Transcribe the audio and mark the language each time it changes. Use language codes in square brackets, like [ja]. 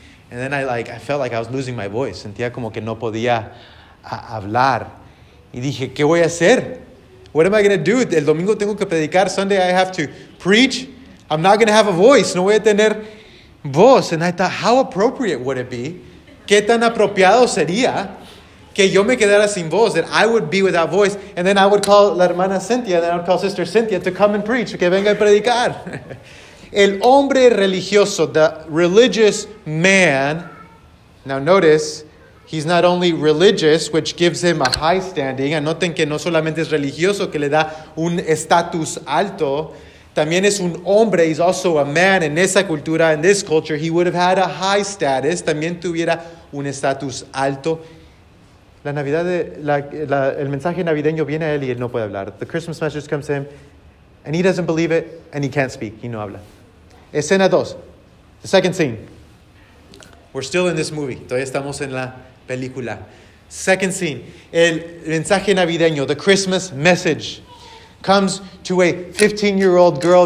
[en] And then I felt like I was losing my voice. [es] Sentía como que no podía hablar. Y dije, ¿qué voy a hacer? [en] What am I going to do? [es] El domingo tengo que predicar. [en] Sunday I have to preach. I'm not going to have a voice. [es] No voy a tener voz. [en] And I thought, how appropriate would it be? [es] ¿Qué tan apropiado sería que yo me quedara sin voz? [en] That I would be without voice. And then I would call [es] la hermana Cynthia. [en] And then I would call sister Cynthia to come and preach. [es] Que venga a predicar. El hombre religioso, [en] the religious man. Now notice, he's not only religious, which gives him a high standing. [es] Anoten que no solamente es religioso, que le da un estatus alto. También es un hombre. [en] He's also a man. [es] En esa cultura, [en] in this culture, he would have had a high status. [es] También tuviera un estatus alto. La Navidad, de, el mensaje navideño viene a él y él no puede hablar. [en] The Christmas message comes to him, and he doesn't believe it, and he can't speak. [es] Y no habla. Escena 2. [en] The second scene. We're still in this movie. [es] Todavía estamos en la película. [en] Second scene. [es] El mensaje navideño, [en] the Christmas message, comes to a 15-year-old girl.